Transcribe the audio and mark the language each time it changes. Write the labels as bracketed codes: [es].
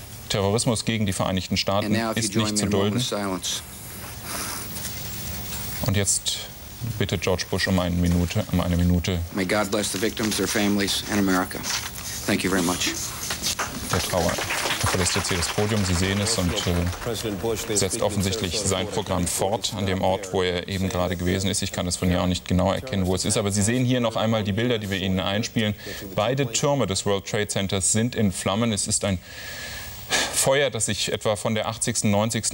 [de] Terrorismus gegen die Vereinigten Staaten ist nicht zu dulden. Und jetzt bitte George Bush um eine Minute. [en] May God bless the victims, their families and America. Thank you very much. [de] Der Trauer verlässt jetzt hier das Podium. Sie sehen es und setzt offensichtlich sein Programm fort an dem Ort, wo er eben gerade gewesen ist. Ich kann es von hier auch nicht genau erkennen, wo es ist. Aber Sie sehen hier noch einmal die Bilder, die wir Ihnen einspielen. Beide Türme des World Trade Centers sind in Flammen. Es ist ein Feuer, das sich etwa von der 80. 90.